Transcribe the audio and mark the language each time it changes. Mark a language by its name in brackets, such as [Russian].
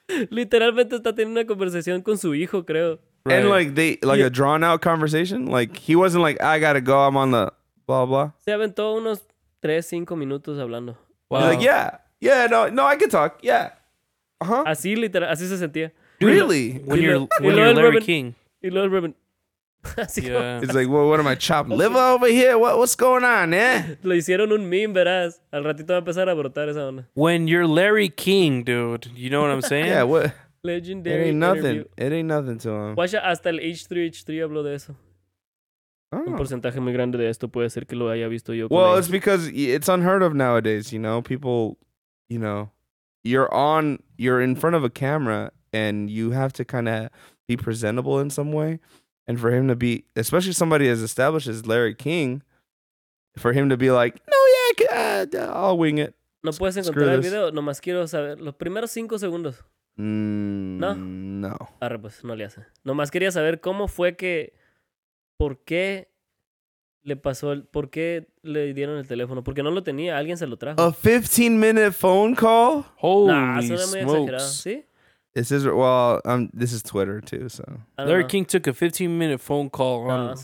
[Spanish] Literalmente está teniendo una conversación con su hijo, creo. [English] Right. And like they like a drawn out conversation, like he wasn't like I gotta go, I'm on the blah blah. [Spanish] Se aventó unos 3-5 minutos hablando. [English] Wow. He's like, yeah. Yeah, no, I can talk. Yeah. Uh-huh. [Spanish] Así literal, así se sentía. [English] Really? When you're Larry King. You love Robin. Yeah. It's like, what am I chopping liver over here? What's going on, eh? [Spanish] Lo hicieron un meme, verás. Al ratito va a empezar a brotar esa onda. [English] When you're Larry King, dude. You know what I'm saying? Yeah, what? Legendary. It ain't nothing. It ain't nothing to him. [Spanish] Watch hasta el H3 habló de eso. Un porcentaje muy grande de esto puede ser que lo haya visto yo. [English] Well, it's because it's unheard of nowadays, you know? People... You know, you're in front of a camera and you have to kind of be presentable in some way. And for him to be, especially somebody as established as Larry King, for him to be like, no, yeah, I'll wing it. [Spanish] No puedes encontrar el video, nomás quiero saber los primeros 5 segundos. No. Arre, pues no le hace. Nomás quería saber cómo fue que, por qué le pasó el, ¿por qué le dieron el teléfono? Porque no lo tenía, alguien se lo trajo. [English] A 15 minute phone call? Holy smokes. [Spanish] ¿Sí? [English] This is, well, this is Twitter too, so. Larry King took a 15 minute phone call on.